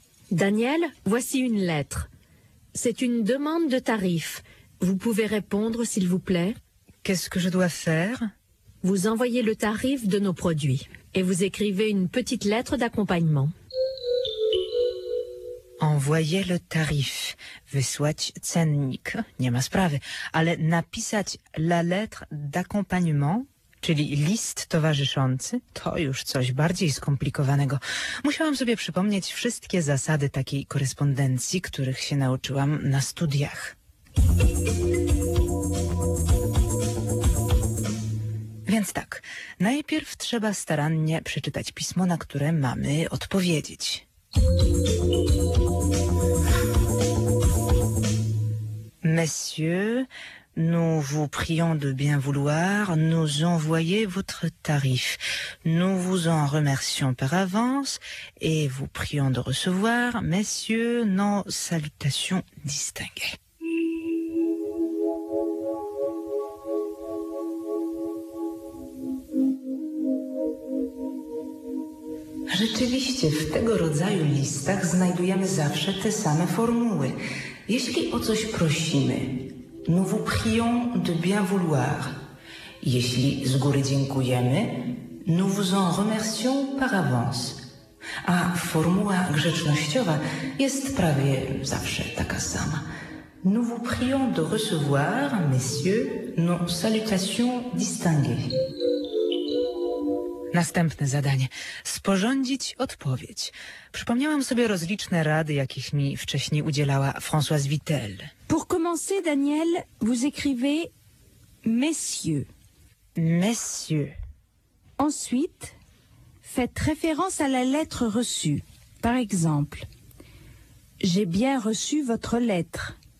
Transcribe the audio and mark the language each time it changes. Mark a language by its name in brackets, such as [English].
[French] Daniel, voici une lettre. C'est une demande de tarif. Vous pouvez répondre, s'il vous plaît? Qu'est-ce que je dois faire? Vous envoyez le tarif de nos produits et vous écrivez une petite lettre d'accompagnement. Envoyer le tarif, [Polish] wysłać cennik, nie ma sprawy, ale napisać [French] la lettre d'accompagnement, [Polish] czyli list towarzyszący, to już coś bardziej skomplikowanego. Musiałam sobie przypomnieć wszystkie zasady takiej korespondencji, których się nauczyłam na studiach. Więc tak, najpierw trzeba starannie przeczytać pismo, na które mamy odpowiedzieć. [French] Messieurs, nous vous prions de bien vouloir nous envoyer votre tarif. Nous vous en remercions par avance et vous prions de recevoir, messieurs, nos salutations distinguées. [Polish] Rzeczywiście, w tego rodzaju listach znajdujemy zawsze te same formuły. Jeśli o coś prosimy, [French] nous vous prions de bien vouloir. [Polish] Jeśli z góry dziękujemy, [French] nous vous en remercions par avance. [Polish] A formuła grzecznościowa jest prawie zawsze taka sama. [French] Nous vous prions de recevoir, messieurs, nos salutations distinguées. [Polish] Następne zadanie. Sporządzić odpowiedź. Przypomniałam sobie rozliczne rady, jakich mi wcześniej udzielała Françoise Vitel. [French] Pour commencer, Daniel, vous écrivez messieurs. Messieurs. Ensuite, faites référence à la lettre reçue. Par exemple, j'ai bien reçu votre lettre.